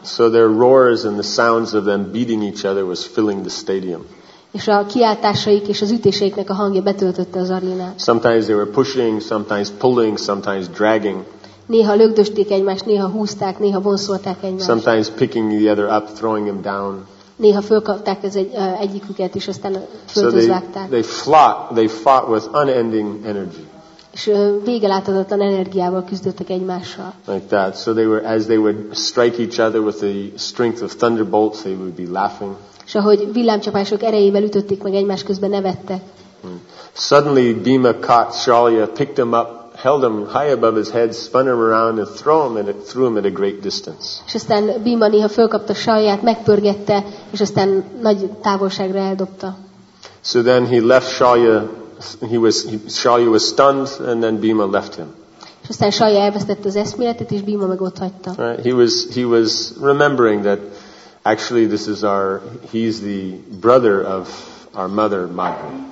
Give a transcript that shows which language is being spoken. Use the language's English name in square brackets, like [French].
[English] So their roars and the sounds of them beating each other was filling the stadium. [Hungarian] És a kiáltásaik és az ütéseiknek a hangja betöltötte az arénát. [English] Sometimes they were pushing, sometimes pulling, sometimes dragging. [Hungarian] Néha lögdösték egymást, néha húzták, néha vonszolták egymást. [English] Sometimes picking the other up, throwing him down. [Hungarian] Néha fölkapták egyiküket és aztán föltözvágták. [English] So they fought with unending energy. [Hungarian] És végeláthatatlan energiával küzdöttek egymással. [English] Like that. So as they would strike each other with the strength of thunderbolts, they would be laughing. [Hungarian] És ahogy villámcsapások erejével ütötték meg egymás közben, nevettek. [English] Suddenly Bhima caught Shalya, picked him up, held him high above his head, spun him around and threw him at a great distance. [Hungarian] És aztán Bhima néha fölkapta Shalyát, megpörgette, és aztán nagy távolságra eldobta. [English] So then he left Shalya, Shalya was stunned and then Bhima left him. [Hungarian] És aztán Shalya elvesztette az eszméletet, és Bhima meg otthagyta. [English] Right. He was remembering that actually this is he's the brother of our mother Madhu.